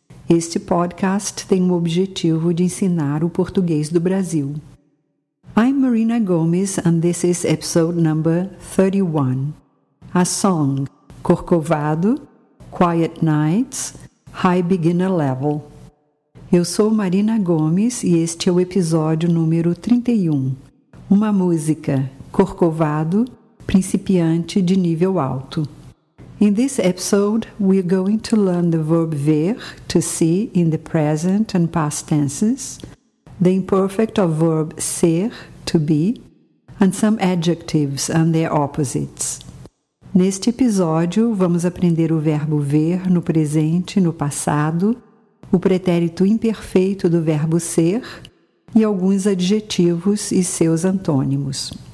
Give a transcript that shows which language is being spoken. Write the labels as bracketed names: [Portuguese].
[Portuguese] Este podcast tem o objetivo de ensinar o português do Brasil. [English] I'm Marina Gomes and this is episode number 31. A song, Corcovado, Quiet Nights, High Beginner Level. [Portuguese] Eu sou Marina Gomes e este é o episódio número 31. Uma música, Corcovado, principiante de nível alto. [English] In this episode, we're going to learn the verb ver, to see, in the present and past tenses, the imperfect of verb ser, to be, and some adjectives and their opposites. [Portuguese] Neste episódio, vamos aprender o verbo ver no presente e no passado, o pretérito imperfeito do verbo ser, e alguns adjetivos e seus antônimos.